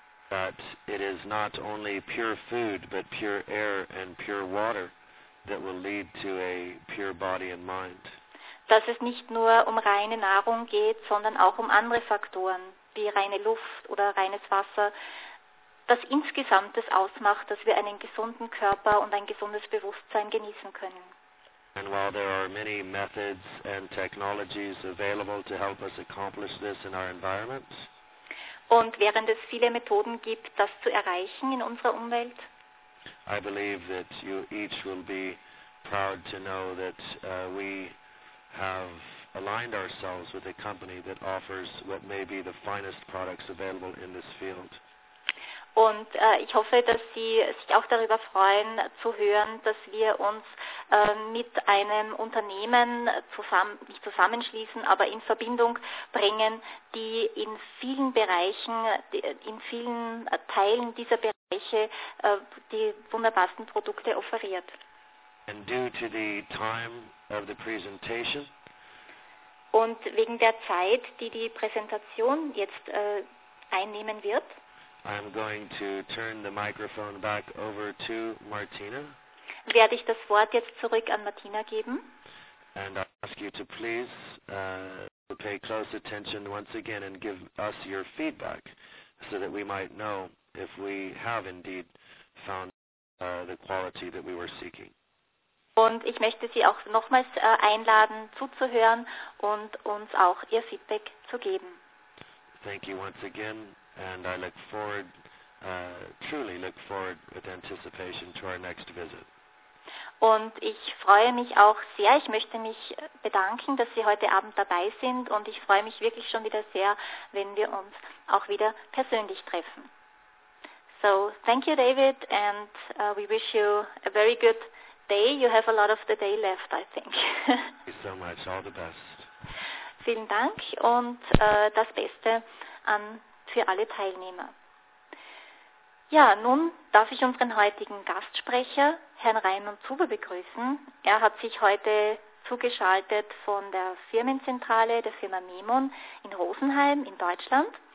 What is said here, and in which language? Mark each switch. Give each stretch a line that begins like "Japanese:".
English: that it is not only pure food, but pure air and pure water that will lead to a pure body and mind.
German: Dass es nicht nur um reine Nahrung geht, sondern auch um andere Faktoren, wie reine Luft oder reines Wasser, das insgesamt das ausmacht, dass wir einen gesunden Körper und ein gesundes Bewusstsein genießen können.
English: And while there are many methods and technologies available to help us accomplish this in our environment,
German: und während es viele Methoden gibt, das zu erreichen in unserer Umwelt,
English: I believe that you each will be proud to know that we have aligned ourselves with a company that offers what may be the finest products available in this field.
German: Und ich hoffe, dass Sie sich auch darüber freuen zu hören, dass wir uns mit einem Unternehmen zusammenschließen, aber in Verbindung bringen, die in vielen Bereichen, in vielen Teilen dieser Bereiche die wunderbarsten Produkte offeriert.
English: And due to the time of the presentation,
German: und wegen der Zeit, die die Präsentation jetzt einnehmen wird,
English: I'm going to turn the microphone back over to Martina.
German: Werde ich das Wort jetzt zurück an Martina geben?
English: And I ask you to please pay close attention once again and give us your feedback so that we might know if we have indeed found the quality that we were seeking.
German: Und ich möchte Sie auch nochmals einladen, zuzuhören und uns auch Ihr Feedback zu geben.
English: Thank you once again. And I look forward, truly look forward with anticipation to our next visit.
German: Und ich freue mich auch sehr, ich möchte mich bedanken, dass Sie heute Abend dabei sind und ich freue mich wirklich schon wieder sehr, wenn wir uns auch wieder persönlich treffen.
English: So, thank you David and we wish you a very good day. You have a lot of the day left, I think. Thank you so much, all the best.
German: Vielen Dank und das Beste an für alle Teilnehmer. Ja, nun darf ich unseren heutigen Gastsprecher, Herrn Raimund Zuber, begrüßen. Er hat sich heute zugeschaltet von der Firmenzentrale der Firma Memon in Rosenheim in Deutschland.